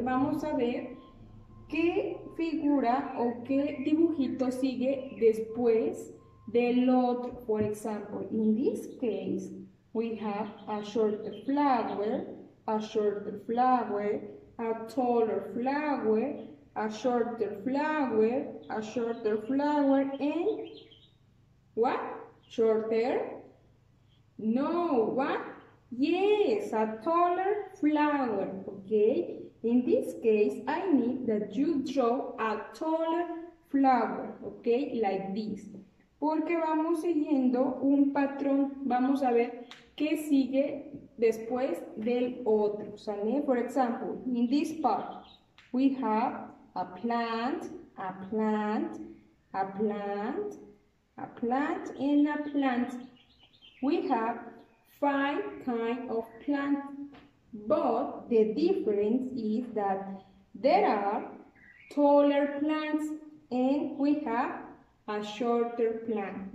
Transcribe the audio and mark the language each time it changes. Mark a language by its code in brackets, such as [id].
[es] Vamos a ver qué figura o qué dibujito sigue después del otro. [en] For example, in this case, we have a shorter flower, a shorter flower, a taller flower, a shorter flower, a shorter flower, and what? Shorter? No, what? Yes, a taller flower, okay? In this case, I need that you draw a taller flower, okay? Like this. [es] Porque vamos siguiendo un patrón. Vamos a ver qué sigue después del otro, ¿sale? [en] For example, in this part, we have a plant, a plant, a plant, a plant, and a plant. We have five kinds of plants, but the difference is that there are taller plants and we have a shorter plant.